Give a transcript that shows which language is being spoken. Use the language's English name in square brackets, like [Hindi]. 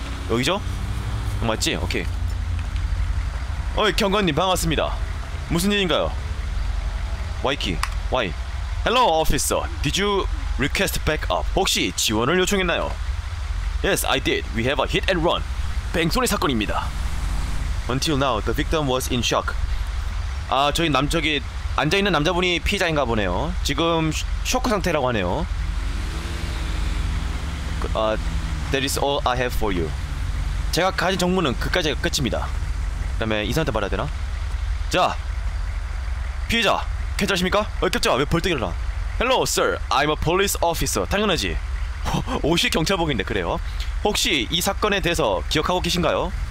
[Korean] 여기죠? 맞지? 오케이. 어이, 경관님 반갑습니다. 무슨 일인가요? 와이키 와이. [English] Hello, officer. Did you request backup? [Korean] 혹시 지원을 요청했나요? [English] Yes, I did. We have a hit and run. [Korean] 뺑소니 사건입니다. [English] Until now, the victim was in shock. [Korean] 아, 저희 남쪽에 앉아있는 남자분이 피의자인가 보네요. 지금 쇼크 상태라고 하네요. [English] 아, that is all I have for you. [Korean] 제가 가진 정보는 그까지가 끝입니다. 그 다음에 이사한테 말해야 되나? 자, 피의자 괜찮으십니까? 어이없죠? 왜 벌떡 일어나? [English] Hello, sir. I'm a police officer. [Korean] 당연하지. 옷이 경찰복인데 그래요. 혹시 이 사건에 대해서 기억하고 계신가요?